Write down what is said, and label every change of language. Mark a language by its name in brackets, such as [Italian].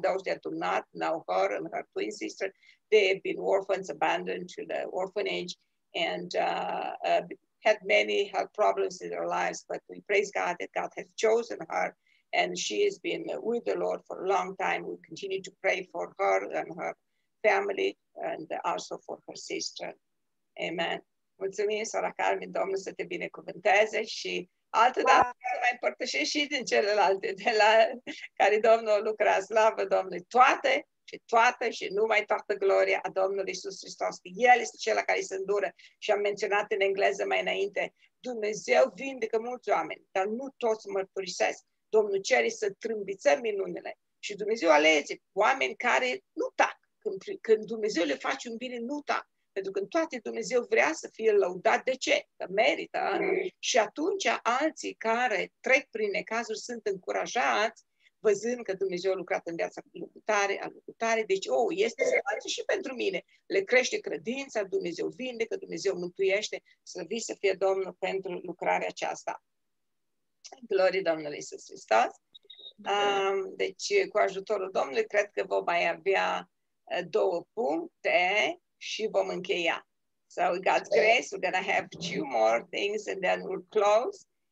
[English] Those that do not know her and her twin sister, they have been orphans, abandoned to the orphanage, and had many health problems in their lives. But we praise God that God has chosen her and she has been with the Lord for a long time. We continue to pray for her and her family and also for her sister. Amen. [Romanian] Mulțumim, Sora Carmen, Domnul să te binecuvânteze și altă dată mai împărtășesc și din celelalte de la care Domnul lucra. Slavă Domnului! Toate și numai toată gloria a Domnului Iisus Hristos. El este Cel care se îndură și am menționat în engleză mai înainte. Dumnezeu vindecă mulți oameni, dar nu toți mărturisesc. Domnul cere să trâmbițăm minunile. Și Dumnezeu alege oameni care nu tac. Când Dumnezeu le face un bine, nu tac. Pentru că în toate Dumnezeu vrea să fie lăudat. De ce? Că merită. Și atunci alții care trec prin necazuri sunt încurajați văzând că Dumnezeu a lucrat în viața lucrătoare. Deci, este să face și pentru mine. Le crește credința, Dumnezeu vindecă, Dumnezeu mântuiește. Slăviți să fie Domnul pentru lucrarea aceasta. Glorie Domnului Iisus Hristos. Deci, cu ajutorul Domnului, cred că vom mai avea două puncte și vom încheia. [English] So, with God's grace, we're going to have two more things and then we'll close.